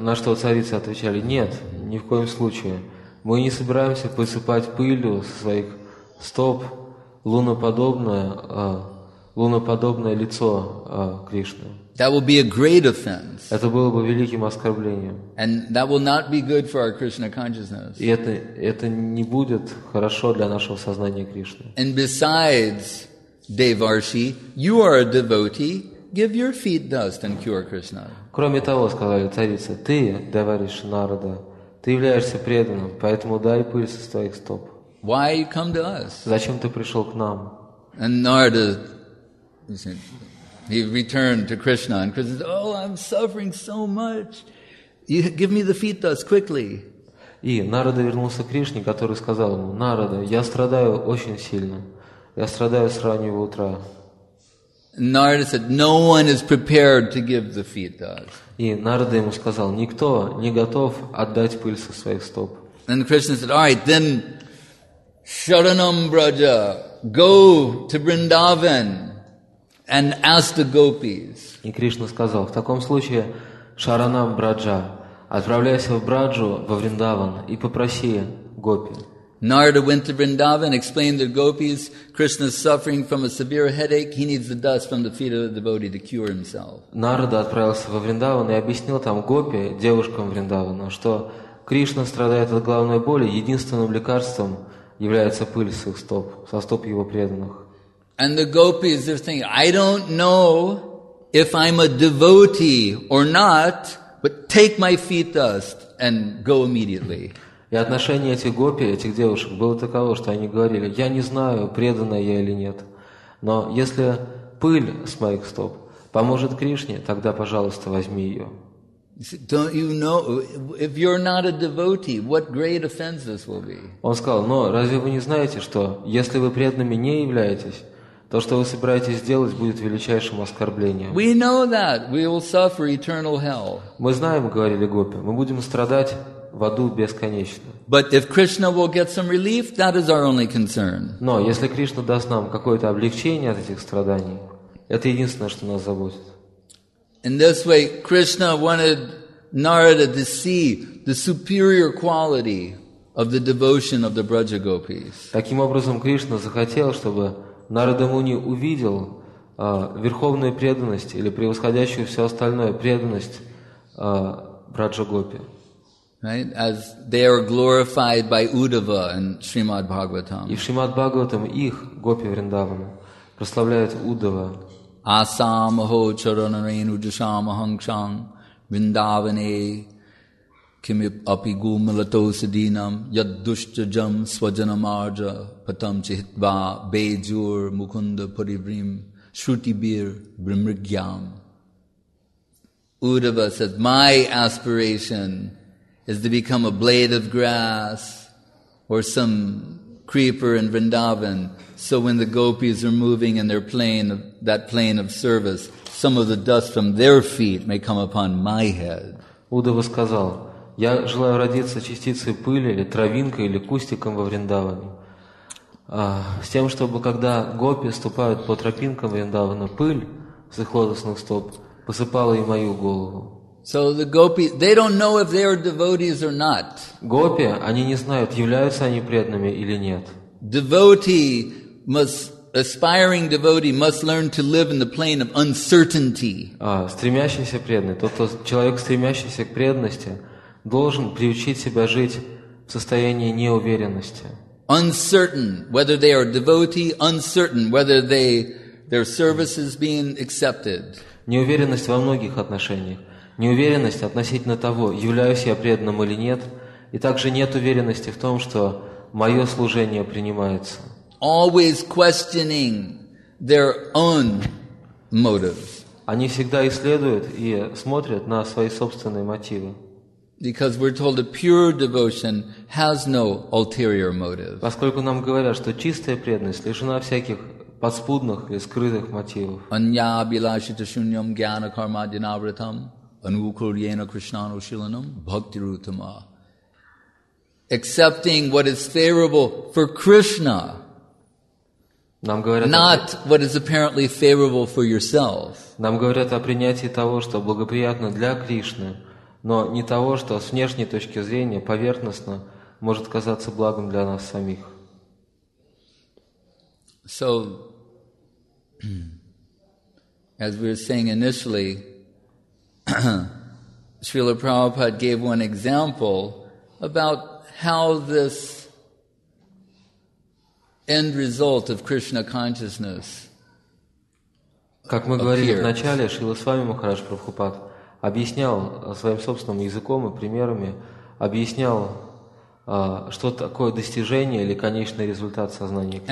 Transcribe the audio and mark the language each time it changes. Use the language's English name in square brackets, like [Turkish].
[Russian] На что царицы отвечали, нет, ни в коем случае. Мы не собираемся посыпать пылью со своих стоп луноподобное лицо Кришны. [English] That will be a great offense. [Russian] Это было бы великим оскорблением. [English] And that will not be good for our Krishna consciousness. [Russian] И это не будет хорошо для нашего сознания Кришны. [English] And besides, Devarshi, you are a devotee. Give your feet dust and cure Krishna. [Russian] Кроме того, сказали царицы, ты, Деварши Нарада, ты являешься преданным, поэтому дай пыль со своих стоп. [English] Why you come to us? [Russian] Зачем ты пришел к нам? [English] And Narada, listen. He returned to Krishna, and Krishna said, "Oh, I'm suffering so much. You give me the feet dust quickly." [Russian] И Нарада вернулся к Кришне, который сказал ему: "Нарада, я страдаю очень сильно. Я страдаю с раннего утра." [English] Narada said, "No one is prepared to give the feet dust." [Russian] И Нарада ему сказал: "Никто не готов отдать пыль со своих стоп." [English] And Krishna said, "All right, then, Sharanam Braja, go to Vrindavan." And ask the gopis. [Russian] И Кришна сказал, в таком случае, Шаранам Браджа, отправляйся в Браджу, во Вриндаван, и попроси гопи. [English] Narada went to Vrindavan, explained to the gopis, Krishna is suffering from a severe headache, he needs the dust from the feet of the devotee to cure himself. [Russian] Narada отправился во Вриндаван и объяснил там гопи, девушкам Вриндавана, что Кришна страдает от головной боли, единственным лекарством является пыль с их стоп, со стоп его преданных. [English] And the gopis are thinking, I don't know if I'm a devotee or not, but take my feet dust and go immediately. [Russian] И отношение этих гопи, этих девушек, было таково, что они говорили, я не знаю, преданная я или нет, но если пыль с моих стоп поможет Кришне, тогда, пожалуйста, возьми ее. [English] Don't you know, if you're not a devotee, what great offense this will be? [Russian] Он сказал, но разве вы не знаете, что если вы преданными не являетесь, то, что вы собираетесь сделать, будет величайшим оскорблением. [English] We know that. We will suffer eternal hell. [Russian] Мы знаем, говорили гопи, мы будем страдать в аду бесконечно. [English] But if Krishna will get some relief, that is our only concern. [Russian] Но если Кришна даст нам какое-то облегчение от этих страданий, это единственное, что нас заботит. [English] In this way, Krishna wanted Narada to see the superior quality of the devotion of the Braja gopis. [Russian] Таким образом, Кришна захотел, чтобы Нарада Муни увидел верховную преданность или превосходящую все остальное преданность Браджа Гопи. [English] Right? As they are glorified by Uddhava and Srimad Bhagavatam. [Russian] И в Шримад Бхагаватам их, Гопи Вриндавана, прославляют Уддхава. [Sanskrit] Асам Ахо Чарана Рейну Джашам Ахангшам Вриндаване Кими Апигу Малато Сидинам Яд Душча Джам Сваджана Марджа Патам Чихитва Бейджур Мукунда Париврим Шрутибир Бримригьям. [English] Uddhava says, my aspiration is to become a blade of grass or some creeper in Vrindavan, so when the gopis are moving in their plane, that plane of service, some of the dust from their feet may come upon my head. [Russian] Uddhava сказал, Я желаю родиться частицей пыли, или травинкой, или кустиком во Вриндаване. С тем, чтобы когда гопи ступают по тропинкам Вриндавана, пыль с их лотосных стоп посыпала и мою голову. [English] So the gopi, they don't know if they are devotees or not. [Russian] Гопи, они не знают, являются они преданными или нет. [English] Devotee must, aspiring devotee must learn to live in the plane of uncertainty. [Russian] Стремящийся преданный, тот человек, стремящийся к преданности, должен приучить себя жить в состоянии неуверенности. [English] Uncertain whether they are devotee, uncertain whether they their service is being accepted. [Russian] Неуверенность во многих отношениях. Неуверенность относительно того, являюсь я преданным или нет, и также нет уверенности в том, что мое служение принимается. [English] Always questioning their own motives. [Russian] Они всегда исследуют и смотрят на свои собственные мотивы. [English] Because we're told that pure devotion has no ulterior motive. [Russian] Поскольку нам говорят, что чистая преданность лишена всяких подспудных и скрытых мотивов. [Sanskrit] Анья абилашита шуньям гьяна карма динавритам. Anukuryena Krishnano Shilanam Bhakti Rutama. [English] Accepting what is favorable for Krishna. [Russian] Нам говорят, [English] not what is apparently favorable for yourself. [Russian] Нам говорят о принятии того, что благоприятно для Кришны, но не того, что с внешней точки зрения поверхностно может казаться благом для нас самих. [English] So, as we were saying initially, Srila Prabhupada gave one example about how this end result of Krishna consciousness appears. [Russian] Как мы говорили в начале, Шрила Свами Махарадж Прабхупад объяснял своим собственным языком и примерами, объяснял, что такое достижение или конечный результат сознания Кришны.